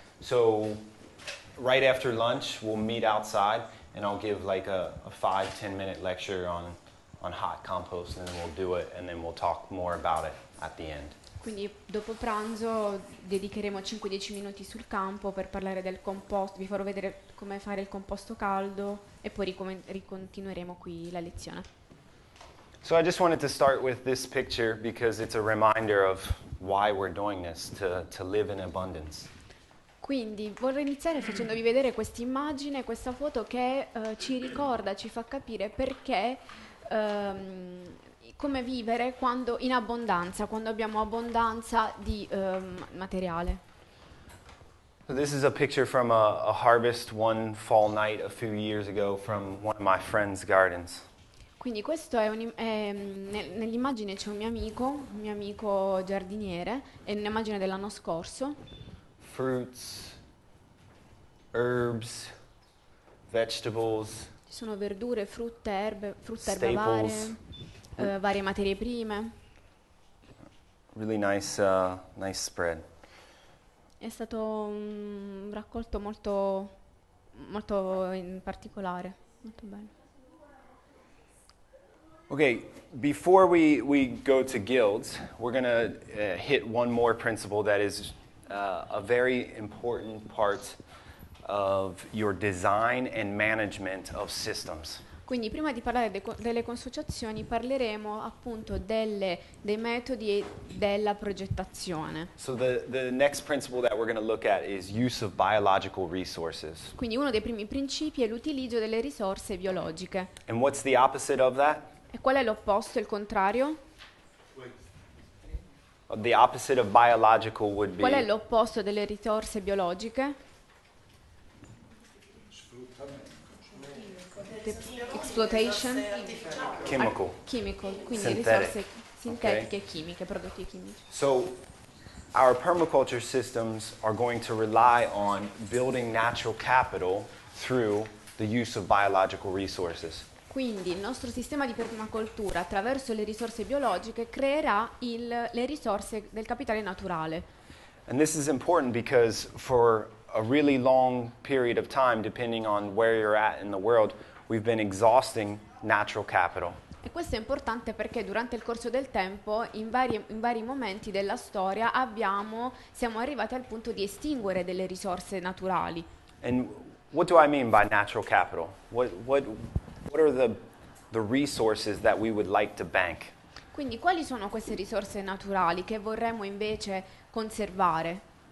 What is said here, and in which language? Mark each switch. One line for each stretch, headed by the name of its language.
English: So, right after lunch, we'll meet outside, and I'll give like a 5-10 minute lecture on hot compost, and then we'll do it, and then we'll talk more about it at the end.
Italian: Quindi dopo pranzo dedicheremo 5-10 minuti sul campo per parlare del composto, vi farò vedere come fare il composto caldo e poi ricontinueremo qui la lezione.
English: So I just wanted to start with this picture because it's a reminder of why we're doing this, to live in abundance.
Italian: Quindi vorrei iniziare facendovi vedere questa immagine, questa foto che ci ricorda, ci fa capire perché come vivere quando in abbondanza, quando abbiamo abbondanza di materiale.
English: So this is a picture from a harvest one fall night a few years ago from one of my friend's gardens.
Italian: Quindi questo è nell'immagine c'è un mio amico giardiniere, è un'immagine dell'anno scorso.
English: Fruits, herbs, vegetables.
Italian: Ci sono verdure, frutta, erbe, frutta erba varie. Varie materie prime.
English: Really nice nice spread.
Italian: È stato raccolto molto molto in particolare, molto bello.
English: Okay, before we go to guilds, we're going to hit one more principle that is a very important part of your design and management of systems.
Italian: Quindi prima di parlare delle consociazioni parleremo appunto dei metodi e della progettazione.
English: So the next principle that we're going to look at is use of biological resources.
Italian: Quindi uno dei primi principi è l'utilizzo delle risorse biologiche.
English: And what's the opposite of that?
Italian: E qual è l'opposto, il contrario?
English: The opposite of biological would be...
Italian: Qual è l'opposto delle risorse biologiche?
English: Exploitation, chemical,
Italian: quindi synthetic. Risorse sintetiche, okay. Chimiche, prodotti chimici.
English: So, our permaculture systems are going to rely on building natural capital through the use of biological resources.
Italian: Quindi il nostro sistema di permacultura attraverso le risorse biologiche creerà le risorse del capitale naturale.
English: And this is important because for a really long period of time, depending on where you're at in the world, we've been exhausting natural capital.
Italian: E questo è importante perché durante il corso del tempo, in vari momenti della storia, siamo arrivati al punto di estinguere delle risorse naturali.
English: And what do I mean by natural capital? What are the resources that we would like to bank?
Italian: Quindi quali sono queste risorse naturali che vorremmo invece conservare?